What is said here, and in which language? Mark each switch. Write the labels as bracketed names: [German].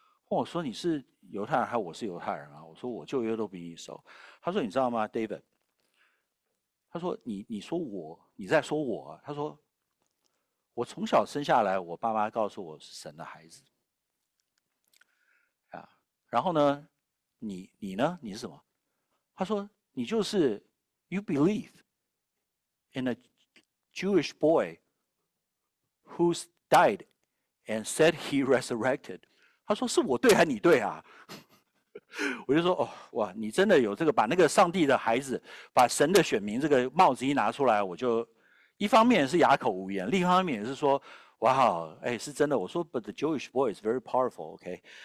[Chinese] 问我说：“你是犹太人还是我是犹太人啊？” 我说：“我旧约都比你熟。 ”他说：“你知道吗，David？” 他说：“你说我，你在说我。” 他说：“我从小生下来，我爸妈告诉我是神的孩子啊。然后呢，你呢？你是什么？” 他说：“你就是 [English] you believe in a Jewish boy who's died and said he resurrected。” [Chinese] 他说：“是我对还是你对啊？” 我就说：“哦，哇，你真的有这个，把那个上帝的孩子，把神的选民这个帽子一拿出来，我就一方面是哑口无言，另一方面也是说，哇，哎，是真的。” 我说：“ [English] But the Jewish boy is very powerful，OK？”